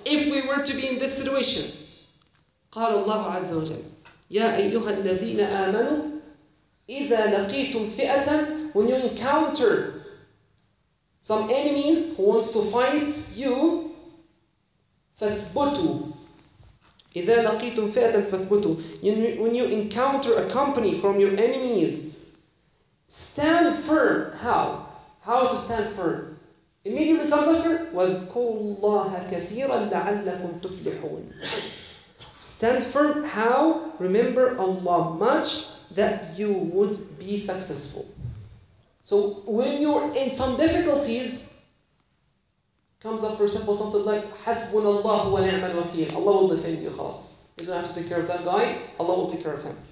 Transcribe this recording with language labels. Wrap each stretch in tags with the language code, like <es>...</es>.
<en>If we were to be in this situation,</en> <ar>قال الله عز وجل يا أيها الذين آمنوا إذا لقيتم فئة,</ar> <en>when you encounter some enemies who wants to fight you,</en> <ar>فثبتوا إذا لقيتم فئة فثبتوا,</ar> <en>when you encounter a company from your enemies, stand firm. How to stand firm? Immediately comes after,</en> <ar>واذكروا الله كثيرا لعلكم تفلحون.</ar> <en>Stand firm. How? Remember Allah much that you would be successful. So when you're in some difficulties, comes up for example something like</en> <ar>حسبنا الله ونعم الوكيل.</ar> <en>Allah will defend you, خلاص. You don't have to take care of that guy. Allah will take care of him.</en>